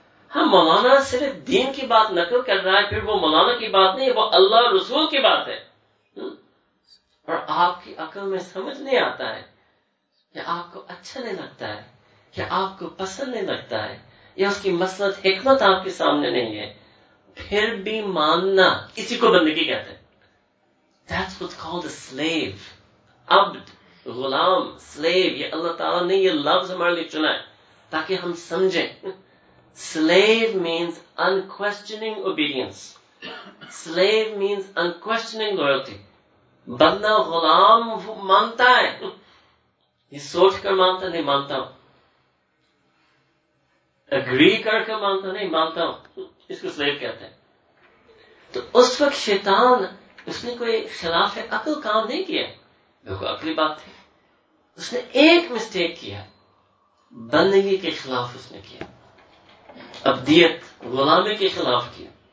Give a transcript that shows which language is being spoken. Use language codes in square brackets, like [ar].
[ur] ہاں مولانا صرف دین کی بات نقل کر رہا ہے، پھر وہ مولانا کی بات نہیں ہے، وہ اللہ رسول کی بات ہے، اور آپ کی عقل میں سمجھ نہیں آتا ہے یا آپ کو اچھا نہیں لگتا ہے یا آپ کو پسند نہیں لگتا ہے یا اس کی مسئلہ حکمت آپ کے سامنے نہیں ہے، پھر بھی ماننا اسی کو بندگی کہتے ہیں. [en] That's what's called a slave. [ur] Abdul, Ghulam, slave. یہ اللہ تعالیٰ نے یہ لفظ ہمارے لیے چنا ہے تاکہ ہم سمجھیں. [en] Slave means unquestioning obedience. Slave means unquestioning loyalty. [ur] بندہ غلام وہ مانتا ہے، یہ سوچ کر مانتا نہیں، مانتا ہوں. Agree کر کے مانتا نہیں، مانتا ہوں. اس کو slave کہتے ہیں. تو اس وقت شیطان اس نے کوئی خلاف عقل کام نہیں کیا، دیکھو عقلی بات تھی، اس نے ایک مسٹیک کیا، بندگی کے خلاف اس نے کیا، ابدیت غلامی کے خلاف کیا.